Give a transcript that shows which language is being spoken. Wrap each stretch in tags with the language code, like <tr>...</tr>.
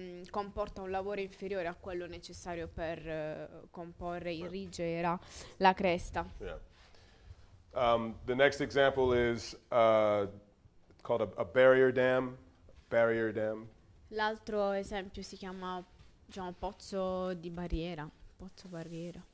<it>Comporta un lavoro inferiore a quello necessario per comporre il ridge e la cresta.</it> <en>Yeah. The next example is called a barrier dam. Barrier dam.</en> <it>L'altro esempio si chiama pozzo di barriera, pozzo barriera.</it>